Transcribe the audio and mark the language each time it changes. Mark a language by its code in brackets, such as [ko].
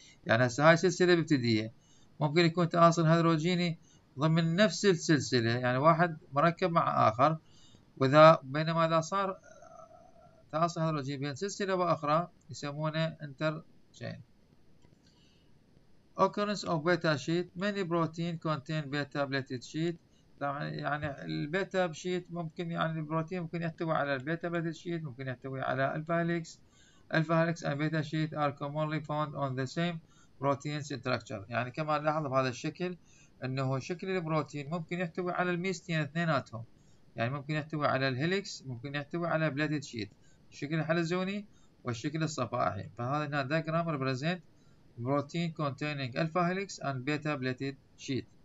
[ar] يعني هسه هاي سلسله بيبتيديه ممكن يكون تآثر هيدروجيني ضمن نفس السلسله يعني واحد مركب مع اخر، واذا بينما اذا صار تآثر هيدروجيني بين سلسله واخرى يسمونه انتر تشين. [en] Occurrence of beta sheet many protein contain beta platelet sheet، [ar] يعني البيتا شيت ممكن يعني البروتين ممكن يحتوي على البيتا بلاتيت شيت ممكن يحتوي على الفا هيليكس. [en] Alpha helix and beta sheet are commonly found on the same protein structure. [ar] يعني كما نلاحظ بهذا الشكل انه شكل البروتين ممكن يحتوي على الميستين اثنيناتهم. يعني ممكن يحتوي على الهيليكس ممكن يحتوي على بلاتيت شيت. الشكل الحلزوني والشكل الصفائحي. فهذا هنا [en] diagram represent protein containing alpha helix and beta plated sheet.